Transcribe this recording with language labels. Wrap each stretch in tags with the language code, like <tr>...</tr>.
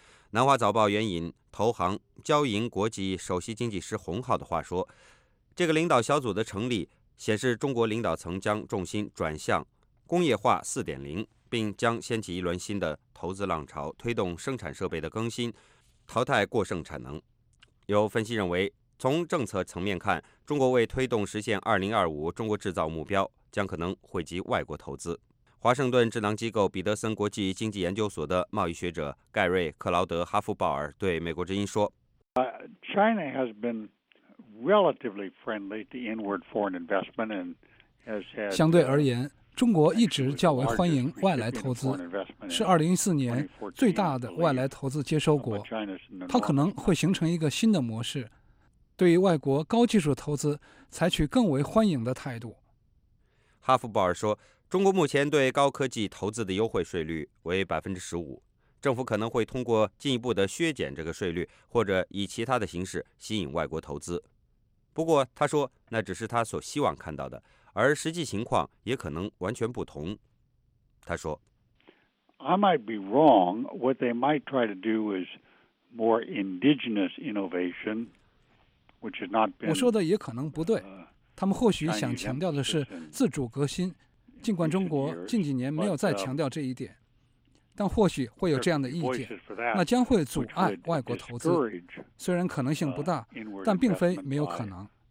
<zh>南华早报援引投行交银国际首席经济师洪浩的话说，这个领导小组的成立显示中国领导层将重心转向工业化 4.0， 并将掀起一轮新的投资浪潮，推动生产设备的更新，淘汰过剩产能。有分析认为，从政策层面看，中国为推动实现2025中国制造目标，将可能惠及外国投资。华盛顿智囊机构彼得森国际经济研究所的贸易学者盖瑞·克劳德·哈夫鲍尔对美国之音说</zh> <en>China has been relatively friendly to inward foreign investment and has had</en> <zh>相对而言，中国一直较为欢迎外来投资，是2014年最大的外来投资接收国。它可能会形成一个新的模式，对于外国高技术投资采取更为欢迎的态度。哈夫鲍尔说，中国目前对高科技投资的优惠税率为15%，政府可能会通过进一步的削减这个税率，或者以其他的形式吸引外国投资。不过他说，那只是他所希望看到的，而实际情况也可能完全不同。他说</zh> <en>I might be wrong. What they might try to do is more indigenous innovation.</en> <zh>我说的也可能不对，他们或许想强调的是自主革新，尽管中国近几年没有再强调这一点，但或许会有这样的意见，那将会阻碍外国投资，虽然可能性不大，但并非没有可能。</zh>